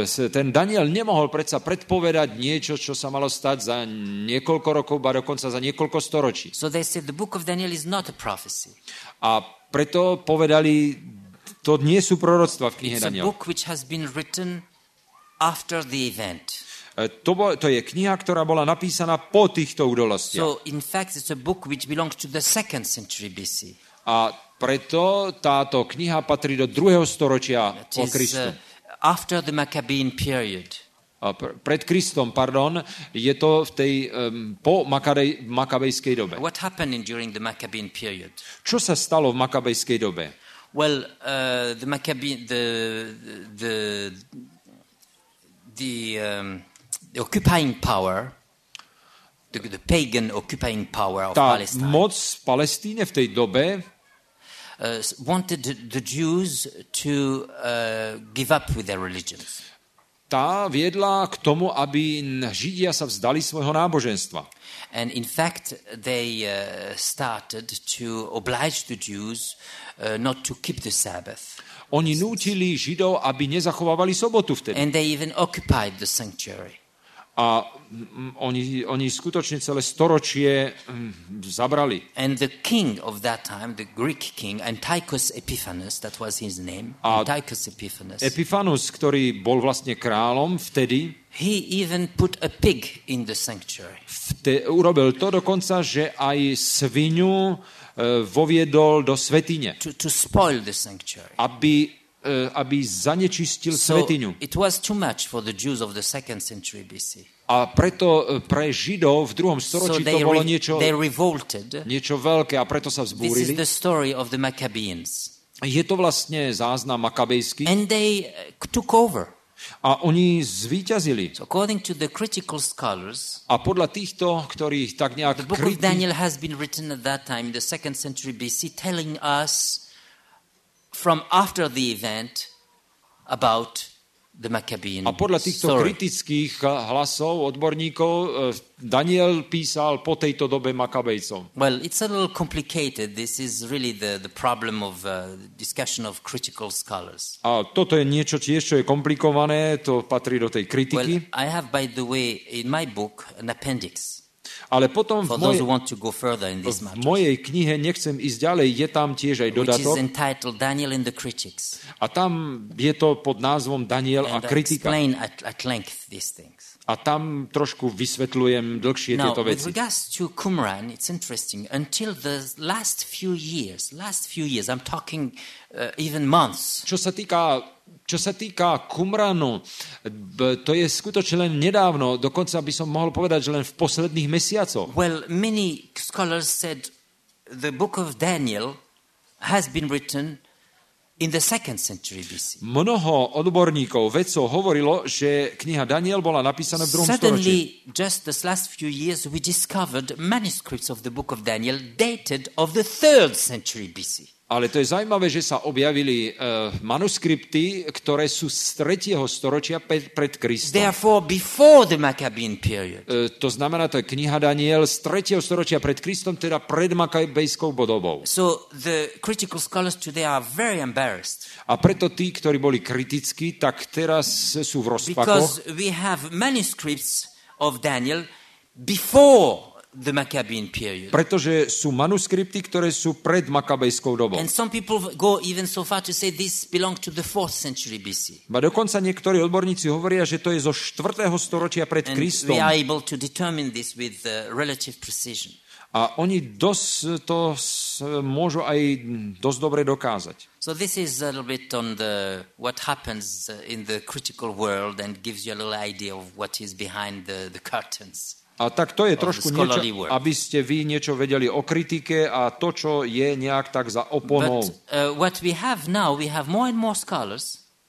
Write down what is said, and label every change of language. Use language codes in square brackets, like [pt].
[sk] Ten Daniel nemohol predsa predpovedať niečo, čo sa malo stať za niekoľko rokov, ba dokonca za niekoľko storočí. [en] So they said the book of Daniel is not a prophecy. [sk] A preto povedali, to nie sú proroctva v knihe Daniel. [en] It's a book which has been written after the event. [sk] To je kniha, ktorá bola napísaná po týchto udalostiach. [en] So in fact it's a book which belongs to the 2nd century BC. [sk] A preto táto kniha patrí do 2. storočia po Kristu. [en] After the Maccabean period. [sk] Pred Kristom, pardon, je to v tej po makabejskej dobe. [en] What happened during the Maccabean period? [sk] Čo sa stalo v makabejskej dobe? [en] Well, the occupying power, the pagan occupying power of Palestine. [sk] Tá moc v Palestíne v tej dobe [en] wanted the Jews to give up with their religion. [sk] Tá viedla k tomu, aby Židia sa vzdali svojho náboženstva. [en] And in fact they started to oblige the Jews not to keep the Sabbath. [sk] Oni nútili Židov, aby nezachovávali sobotu vtedy. [en] And they even occupied the sanctuary. [sk] A oni skutočne celé storočie zabrali. [en] And the king of that time, the Greek king Antiochus Epiphanes, that was his name, Antiochus Epiphanes. [sk] Epiphanus, ktorý bol vlastne kráľom vtedy. [en] He even put a pig in the sanctuary. [sk] Urobil to dokonca, že aj sviňu voviedol do svätyne. [en] To spoil the sanctuary. [sk] Aby zanečistil svätyňu. [en] It was too much for the Jews of the 2nd century BC. [sk] A preto pre Židov v 2. storočí to bolo niečo veľké a preto sa vzbúrili. [en] This is the story of the Maccabeans. [sk] Je to vlastne záznam makabejský. [en] And they took over. [sk] A oni zvíťazili. [en] So according to the critical scholars, [sk] a podľa týchto, ktorí tak nejak [en] the book of Daniel has been written at that time in the 2nd century BC telling us from after the event about the Maccabean. [sk] A podľa týchto kritických hlasov odborníkov Daniel písal po tejto dobe Makabejcom. [en] Well, it's a little complicated. This is really the problem of discussion of critical scholars. [sk] A toto je niečo tiež, čo je komplikované, to patrí do tej kritiky. [en] Well, I have by the way in my book an appendix. [sk] Ale potom v mojej knihe nechcem ísť ďalej, je tam tiež aj dodatok. [en] Which is entitled Daniel and the Critics. [sk] A tam je to pod názvom Daniel [en] and [sk] a kritika. [en] Explain at length these things. [sk] A tam trošku vysvetľujem dlhšie [en] now, [sk] tieto veci. [en] With regards to Qumran, it's interesting. Until the last few years, I'm talking even months. [sk] Čo sa týka Qumranu, to je skutočne len nedávno, dokonca by som mohol povedať, že len v posledných mesiacoch. [en] Well, many scholars said the book of Daniel has been written in the 2nd century BC. [sk] Mnoho odborníkov, vedcov hovorilo, že kniha Daniel bola napísaná v 2. storočí. [en] Suddenly, just this last few years, we discovered manuscripts of the book of Daniel dated of the 3rd century BC. [sk] Ale to je zaujímavé, že sa objavili manuskripty, ktoré sú z 3. storočia pred Kristom. [en] Therefore before the Maccabean period. [sk] To znamená, to je kniha Daniel z 3. storočia pred Kristom, teda pred makabejskou dobou. [en] So the critical scholars today are very embarrassed. [sk] A preto tí, ktorí boli kritickí, tak teraz sú v rozpakoch. [en] Because we have manuscripts of Daniel before the Maccabean period. [sk] Pretože sú manuskripty, ktoré sú pred makabejskou dobou. [en] And some people go even so far to say this belong to the 4th century BC. [sk] A dokonca niektorí odborníci hovoria, že to je zo 4. storočia pred Kristom. [en] And we are able to determine this with relative precision. [sk] A oni môžu aj dosť dobre dokázať. [en] So this is a little bit on the what happens in the critical world and gives you a little idea of what is behind the curtains. [sk] A tak to je trošku niečo, aby ste vy niečo vedeli o kritike a to, čo je nejak tak za oponou. [en] But what we have now, we have more and more scholars.